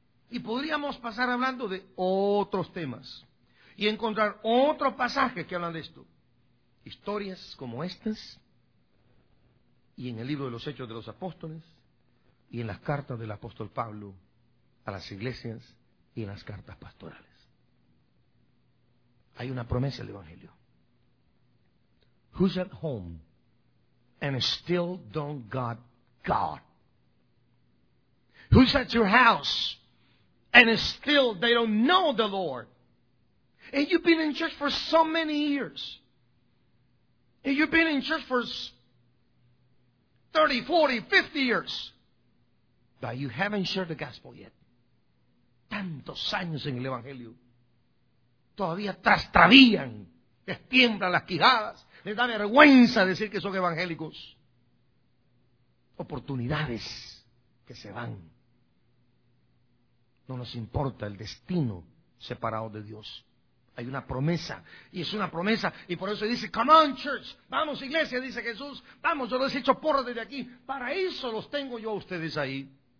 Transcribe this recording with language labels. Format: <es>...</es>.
<es>Y podríamos pasar hablando de otros temas y encontrar otro pasaje que hablan de esto. Historias como estas, y en el libro de los Hechos de los Apóstoles, y en las cartas del apóstol Pablo a las iglesias, y en las cartas pastorales. Hay una promesa del Evangelio.</es> <en>Who's at home and still don't got God? Who's at your house and still they don't know the Lord? And you've been in church for so many years. And you've been in church for 30, 40, 50 years. But you haven't shared the gospel yet.</en> <es>Tantos años en el Evangelio. Todavía trastabillan. Les tiemblan las quijadas. Les da vergüenza decir que son evangélicos. Oportunidades que se van. No nos importa el destino separado de Dios. Hay una promesa, y es una promesa, y por eso dice,</es> <en>come on church,</en> <es>vamos iglesia, dice Jesús, vamos, yo los he hecho porro desde aquí, para eso los tengo yo a ustedes ahí.</es>